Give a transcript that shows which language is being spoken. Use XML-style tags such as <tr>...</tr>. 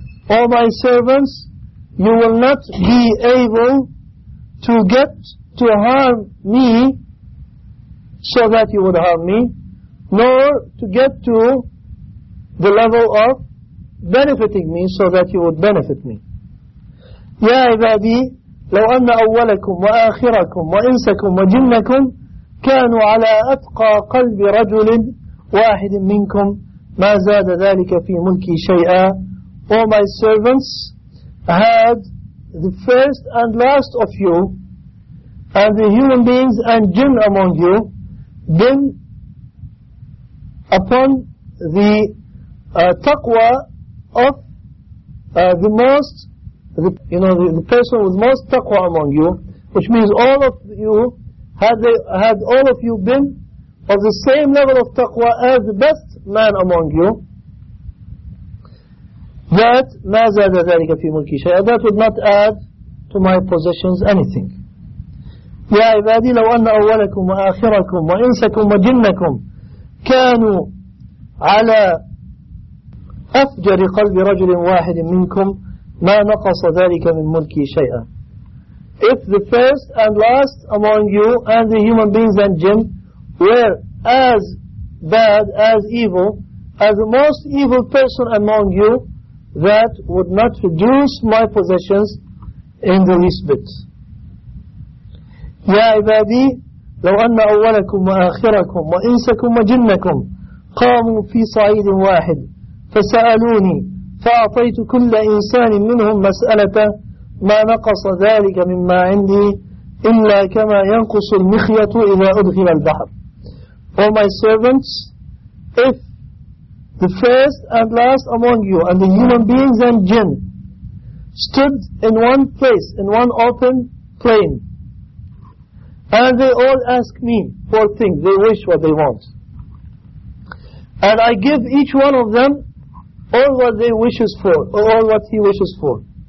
<en>O my servants, you will not be able to get to harm me so that you would harm me, nor to get to the level of benefiting me so that you would benefit me.</en> <ar>يا عبادي لو أن أولكم وآخركم وإنسكم وجنكم كانوا على أتقى قلب رجل واحد منكم ما زاد ذلك في ملكي شيئا.</ar> <en>All my servants, had the first and last of you and the human beings and jinn among you been upon the taqwa of the most, the person with most taqwa among you, which means all of you, had all of you been of the same level of taqwa as the best man among you, that</en> <ar>ما زاد ذلك في ملكي شيئا,</ar> <en>that would not add to my possessions anything.</en> <ar>يا عبادي لو أن أولكم وآخركم وإنسكم وجنكم كانوا على أفجر قلب رجل واحد منكم ما نقص ذلك من ملكي شيئا.</ar> <en>If the first and last among you and the human beings and jinn were as bad, as evil, as the most evil person among you, that would not reduce my possessions in the least bit.</en> <ar>يا عبادي لو أن أولكم وآخركم وإنسكم وجنكم قاموا في صعيد واحد فسألوني فأعطيت كل إنسان منهم مسألة ما نقص ذلك مما عندي إلا كما ينقص المخيط إذا أدخل البحر.</ar> <en>O my servants, if the first and last among you, and the human beings and jinn, stood in one place, in one open plain. And they all ask me for things, they wish what they want. And I give each one of them all what they wishes for, or all what he wishes for.</en>